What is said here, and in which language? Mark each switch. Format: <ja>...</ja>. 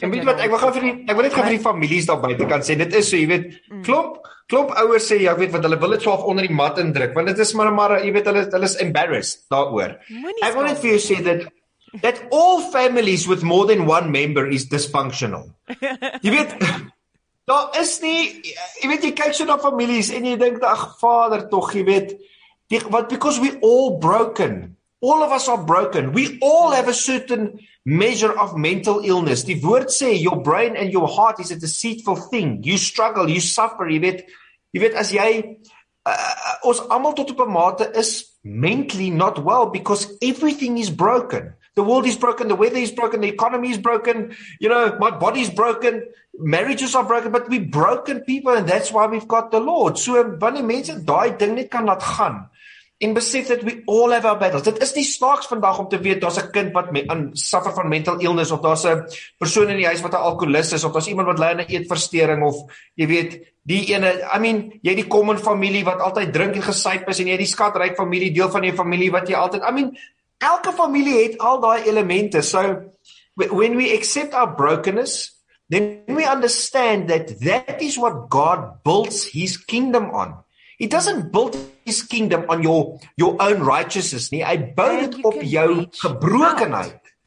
<af>en weet wat, ek wil net vir die families daar buite kan sê, dit is so, jy weet, klomp ouers sê, jy weet, want hulle wil dit so af onder die mat indruk, want dit is maar, jy weet, hulle is embarrassed daaroor. Ek wil net vir jou sê,</af> <en>that all families with more than one member is dysfunctional.</en> <af>Jy weet, daar is nie, jy weet, jy kyk so na families, en jy denk, ach, vader, toch, jy weet,</af> <en>because we all broken, all of us are broken. We all have a certain measure of mental illness.</en> <af>Die woord sê,</af> <en>your brain and your heart is a deceitful thing. You struggle, you suffer,</en> <af>jy weet, as jy, ons allemaal tot op 'n mate is</af> <en>mentally not well, because everything is broken. The world is broken, the weather is broken, the economy is broken, you know, my body is broken, marriages are broken, but we're broken people, and that's why we've got the Lord.</en> <af>So, wanneer mense daai ding net kan laat gaan, en besef dat</af> <en>we all have our battles.</en> <af>Dit is nie snaaks vandag om te weet, daar's 'n kind wat suffer van mental illness, of daar's 'n persoon in die huis wat 'n alkoholist is, of daar's iemand wat ly aan 'n eetversteuring, of jy weet, die ene, I mean, jy die common familie wat altyd drink en gesuip is, en jy die skatryk familie, deel van jou familie wat jy altyd, I mean, elke familie het al daai elemente.</af> <en>So, when we accept our brokenness, then we understand that is what God builds his kingdom on. He doesn't build his kingdom on your own righteousness nie.</en> <af>Hy bou dit op jou gebrokenheid.</af>